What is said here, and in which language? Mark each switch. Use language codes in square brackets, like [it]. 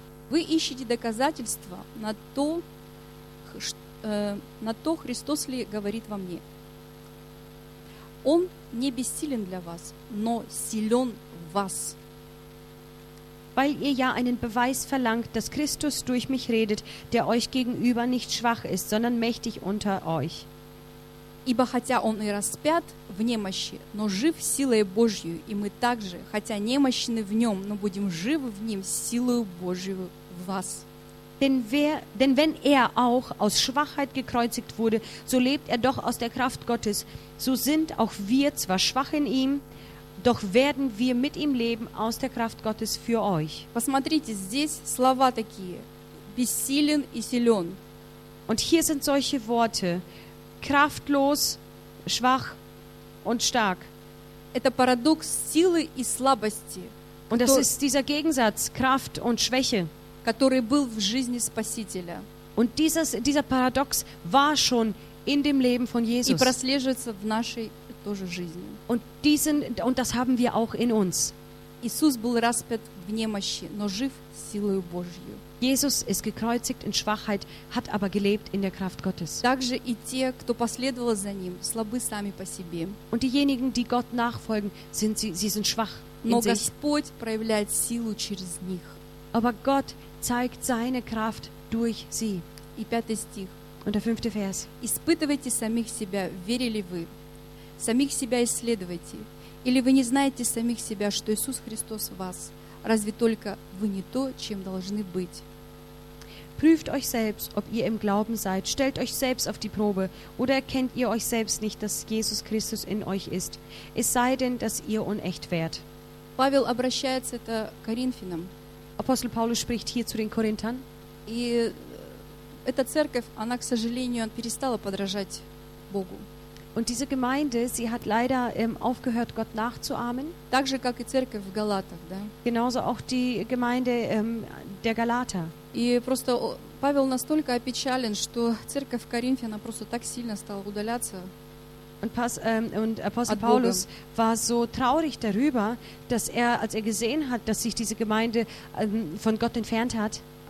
[ru] Вы ищете доказательства на то, Христос ли говорит во мне. Он не бессилен для вас, но силен в вас. [de] Weil ihr ja einen Beweis verlangt, dass Christus durch mich redet, der euch gegenüber nicht schwach ist, sondern mächtig unter euch. [ru] Ибо хотя он и распят в немощи, но жив силой Божью, и мы также, хотя немощны в нем, но будем живы в нем силою Божью в вас. [de] Denn wenn er auch aus Schwachheit gekreuzigt wurde, so lebt er doch aus der Kraft Gottes. So sind auch wir zwar schwach in ihm, doch werden wir mit ihm leben aus der Kraft Gottes für euch. [ru] Посмотрите, здесь слова такие. бессилен и силен. [de] Und hier sind solche Worte: kraftlos, schwach und stark. [ru] Это парадокс силы и слабости. [de] Und das ist dieser Gegensatz, Kraft und Schwäche, [ru] который был в жизни Спасителя. [de] Und dieser Paradox war schon in dem Leben von Jesus. [ru] И прослеживается в нашей тоже жизни. [de] Und das haben wir auch in uns. [ru] Иисус был распят в немощи, но жив силою Божьей. [de] Jesus ist gekreuzigt in Schwachheit, hat aber gelebt in der Kraft Gottes. [ru] Также и те, кто последовал за ним, слабы сами по себе. [de] Und diejenigen, die Gott nachfolgen, sind schwach in sich. [ru] Но Господь проявляет силу через них. [de] Aber Gott zeigt seine Kraft durch sie. [ru] И пятый стих. [de] Und der fünfte Vers. [ru] Испытывайте самих себя, вере ли вы? Самих себя исследуйте. Или вы не знаете самих себя, что Иисус Христос в вас? Разве только вы не то, чем должны быть? [de] Prüft euch selbst, ob ihr im Glauben seid. Stellt euch selbst auf die Probe. Oder erkennt ihr euch selbst nicht, dass Jesus Christus in euch ist? Es sei denn, dass ihr unecht wärt. [ru] Павел обращается это к коринфянам. [de] Апостол Павел spricht hier zu den Korinthern. [ru] И эта церковь, она, к сожалению, перестала подражать Богу. [de] Und diese Gemeinde, sie hat leider aufgehört, Gott nachzuahmen. [ru] Также как и церковь в Галатах, да? [de] Genauso auch die Gemeinde der Galater. [ru] И просто Павел настолько опечален, что церковь в Коринфе, она просто так сильно стала удаляться. [de] Und Apostel Paulus war so traurig darüber, dass er, als er gesehen hat, dass sich diese Gemeinde von Gott entfernt hat.